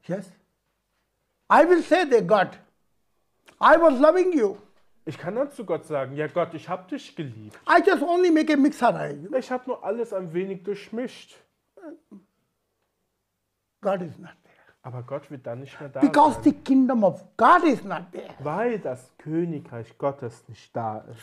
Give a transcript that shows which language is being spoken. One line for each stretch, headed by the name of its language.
English: Yes. I will say to God, I was loving you.
German: Ich kann dann zu Gott sagen, ja Gott, ich habe dich geliebt.
English: I just only make a mixer rein.
German: Ich habe nur alles ein wenig durchmischt.
English: God is not there.
German: Aber Gott wird dann nicht mehr da
English: Because
German: sein.
English: The kingdom of God is not there.
German: Weil das Königreich Gottes nicht da ist.